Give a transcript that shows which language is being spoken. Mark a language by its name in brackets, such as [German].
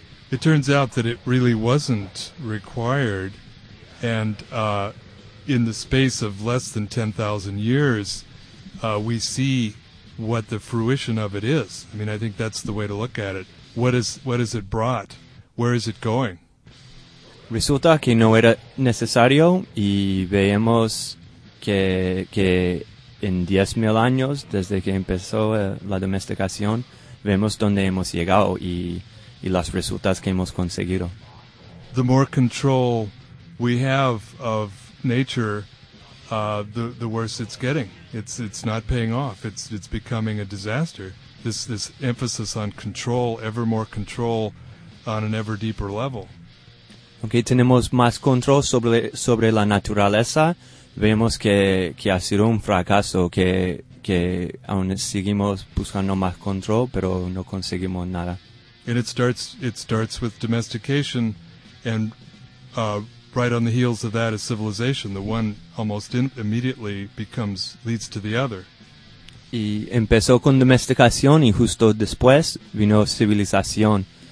[English] It turns out that it really wasn't required, and in the space of less than 10,000 years, we see what the fruition of it is. I mean, I think that's the way to look at it. What is it brought? Where is it going? [Spanish] Resulta que no era necesario y vemos que en 10,000 años, desde que empezó la domesticación, vemos dónde hemos llegado y las resultas que hemos conseguido. [English] The more control we have of nature, the worse it's getting. It's not paying off. It's becoming a disaster. This emphasis on control, ever more control on an ever deeper level. [Spanish] Aunque tenemos más control sobre la naturaleza, vemos que ha sido un fracaso, que aún seguimos buscando más control, pero no conseguimos nada. [English] And it starts with domestication, and right on the heels of that is civilization. The one almost immediately leads to the other. [Spanish] Y empezó con domesticación y justo después vino civilización.